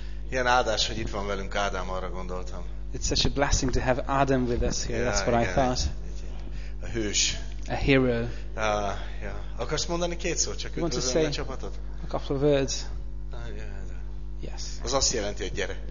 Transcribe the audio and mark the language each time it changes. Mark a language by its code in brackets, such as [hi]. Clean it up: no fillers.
[hu] Ilyen áldás, hogy itt van velünk Ádám, arra gondoltam. [en] It's such a blessing to have Adam with us here, yeah, that's what I thought. [hu] A hős. [en] A hero. Yeah. [hu] Akarsz mondani két szót, csak üdvözlöm a csapatot? [en] A couple of words. Yes. [hu] Az azt jelenti, hogy gyere.